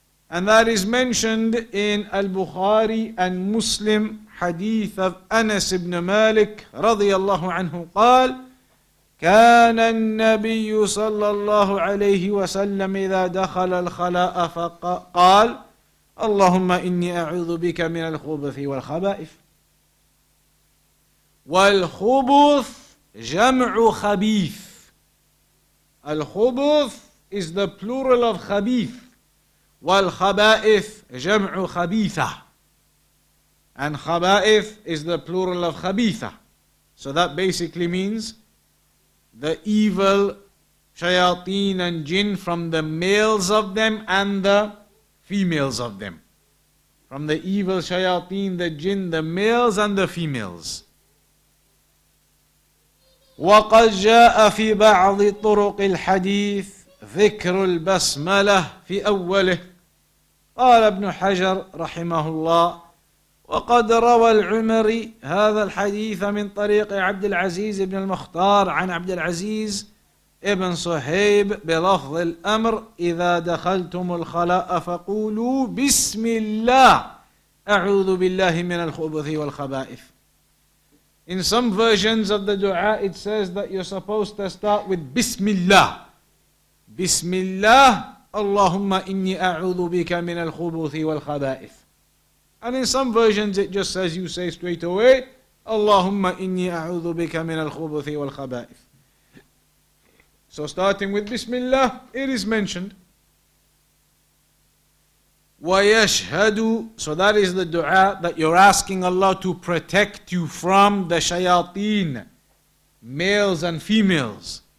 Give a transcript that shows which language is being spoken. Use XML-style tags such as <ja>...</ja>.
<en>And that is mentioned in al-Bukhari and Muslim hadith of Anas ibn Malik, radiyallahu anhu, qal,</en> <ar>كان النبي صلى الله عليه وسلم إذا دخل الخلاء فقال اللهم إني أعوذ بك من الخبث والخبائث والخبث جمع خبيث.</ar> <en>الخبث is the plural of خبيث</en> <ar>والخبائث جمع خبيثة</ar> <en>and خبائث is the plural of خبيثة. So that basically means the evil shayateen and jinn from the males of them and the females of them. From the evil shayateen, the jinn, the males and the females.</en> <ar>وَقَدْ جَاءَ فِي بَعْضِ طُرُقِ الْحَدِيثِ ذِكْرُ الْبَسْمَلَةِ فِي أَوَّلِهِ قال ابن حجر رحمه الله وقد روى العمري هذا الحديث من طريق عبد العزيز بن المختار عن عبد العزيز ابن صهيب بلفظ الأمر إذا دخلتم الخلاء فقولوا بسم الله أعوذ بالله من الخبث والخبائث.</ar> <en>In some versions of the dua it says that you're supposed to start with بسم الله.</en> <ar>بسم الله اللهم إني أعوذ بك من الخبث والخبائث.</ar> <en>And in some versions, it just says, you say straight away,</en> <ar>Allahumma inni a'udhu bika min al-khubuthi wal-khaba'ith.</ar> <en>So starting with Bismillah, it is mentioned. Wa yashhadu, so that is the dua that you're asking Allah to protect you from the shayateen, males and females.</en>